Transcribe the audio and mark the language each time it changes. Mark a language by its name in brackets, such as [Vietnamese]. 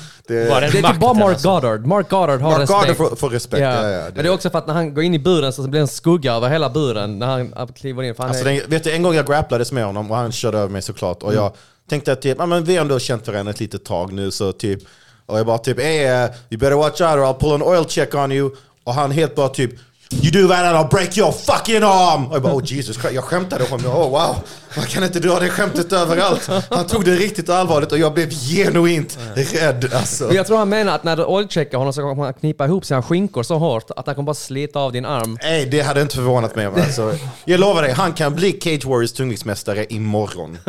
[Swedish] Det är bara Mark Goddard. Mark Goddard har respekt. Mark Goddard får respekt. Ja. Ja, ja, men det är också för att när han går in i buren så blir det en skugga över hela buren när han kliver in. Alltså, vet du, en gång jag grapplades med honom och han körde över mig såklart. Och jag tänkte att typ, men vi har ändå känt för henne ett litet tag nu. Så typ, och jag bara typ, [English] hey, you better watch out or I'll pull an oil check on you. [Swedish] Och han helt bara typ, [English] you do that and I'll break your fucking arm. [Swedish] Och jag bara, [English] oh Jesus Christ, [Swedish] jag skämtade honom. [English] Oh wow, [Swedish] man kan inte dra det skämtet överallt. Han tog det riktigt allvarligt och jag blev genuint rädd. Alltså. Jag tror han menar att när du oilcheckar honom så kommer han knipa ihop sina skinkor så hårt att han kommer bara slita av din arm. Nej, det hade inte förvånat mig. Alltså. Jag lovar dig, han kan bli Cage Warriors tungviktsmästare imorgon.